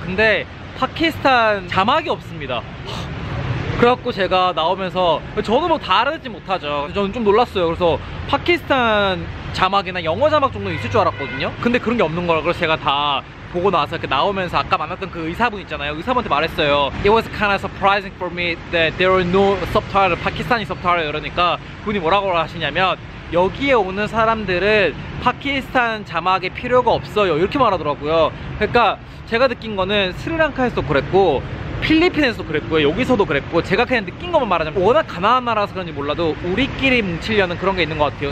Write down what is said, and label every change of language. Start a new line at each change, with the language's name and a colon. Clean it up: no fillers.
Korean: 근데 파키스탄 자막이 없습니다. 그래갖고 제가 나오면서 저는 뭐 다 알아듣지 못하죠. 저는 좀 놀랐어요. 그래서 파키스탄 자막이나 영어 자막 정도 있을 줄 알았거든요. 근데 그런 게 없는 거라 그래서 제가 다 보고 나서 이렇게 나오면서 아까 만났던 그 의사분 있잖아요. 의사분한테 말했어요.
English: It was kind of surprising for me that there were no subtitles, Pakistani subtitles.
Korean: 그러니까 분이 뭐라고 하시냐면 여기에 오는 사람들은 파키스탄 자막이 필요가 없어요. 이렇게 말하더라고요. 그러니까 제가 느낀 거는 스리랑카에서도 그랬고 필리핀에서도 그랬고요. 여기서도 그랬고 제가 그냥 느낀 것만 말하자면 워낙 가난한 나라라서 그런지 몰라도 우리끼리 뭉치려는 그런 게 있는 것 같아요.